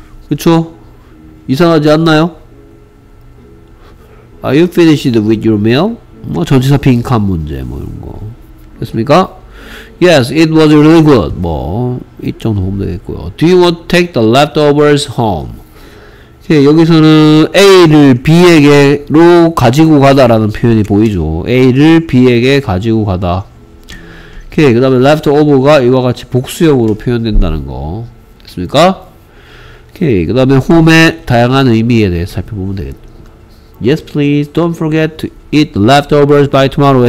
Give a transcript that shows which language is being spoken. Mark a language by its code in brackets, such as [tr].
[ko] 그쵸? 이상하지 않나요? [en] Are you finished with your meal? [ko] 뭐 전치사 빈칸 문제 뭐 이런 거. 됐습니까? [en] Yes, it was really good. [ko] 뭐 이 정도 보면 되겠고요. [en] Do you want to take the leftovers home? [ko] 예, 여기서는 A를 B에게로 가지고 가다라는 표현이 보이죠. A를 B에게 가지고 가다. 그 다음에 leftover가 이와 같이 복수형으로 표현된다는 거. 됐습니까? 오케이. 그 다음에 home의 다양한 의미에 대해서 살펴보면 되겠습니다. [en] Yes, please. Don't forget to eat the leftovers by tomorrow.